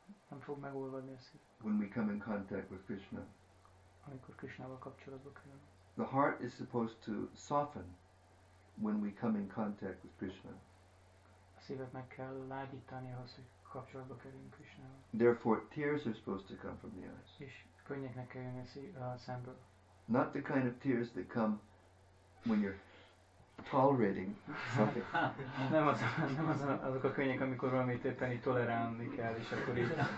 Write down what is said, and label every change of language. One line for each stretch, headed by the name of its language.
Hungarian: Nem fog megolvadni a szív.
English: When we come in contact with Krishna.
Hungarian: Amikor Krishnával kapcsolatba kerülünk.
English: The heart is supposed to soften when we come in contact with Krishna.
Hungarian: A szívet meg kell lágyítani ahhoz, hogy kapcsolatba kerüljünk Krishnával.
English: Therefore, tears are supposed to come from the eyes.
Hungarian: És könnyeknek kell jönni a szemből.
English: Not the kind of tears that come when you're tolerating something.
Hungarian: Nem az, nem az, azok a könnyek, amikor valamit éppen így tolerálni kell, és akkor így...